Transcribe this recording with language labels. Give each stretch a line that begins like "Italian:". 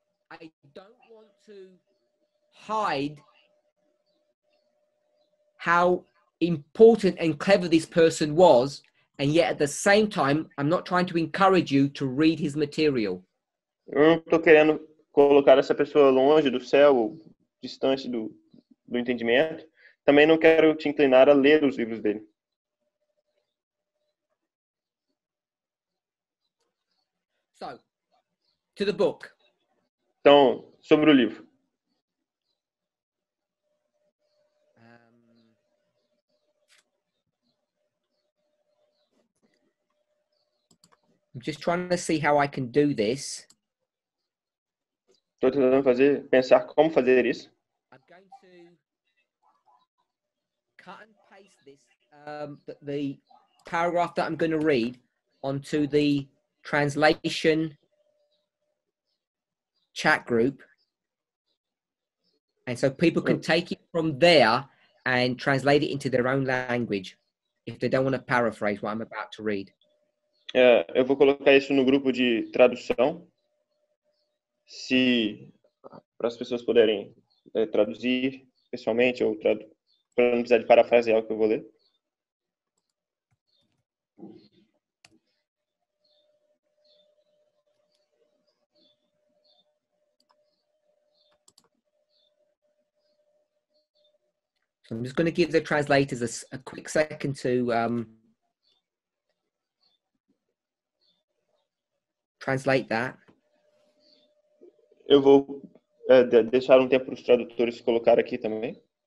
English: I don't want to hide how important and clever this person was, and yet at the same time I'm not trying to encourage you to read his material.
Portuguese: Eu não tô querendo colocar essa pessoa longe do céu, distante do entendimento. Também não quero te inclinar a ler os livros dele.
English: So, to the book.
Portuguese: Então, sobre o livro.
English: I'm just trying to see how I can do this.
Portuguese: Tô tentando fazer, pensar como fazer isso.
English: I'm going to cut and paste this, the paragraph that I'm going to read onto the translation chat group. And so people can take it from there and translate it into their own language if they don't want to paraphrase what I'm about to read.
Portuguese: Eu vou colocar isso no grupo de tradução, se para as pessoas poderem traduzir pessoalmente ou para não precisar de parafrasear o que eu vou ler.
English: So, So I'm just going to give the translators a quick second to translate that.
Portuguese: Eu vou deixar tempo para os tradutores colocar aqui também.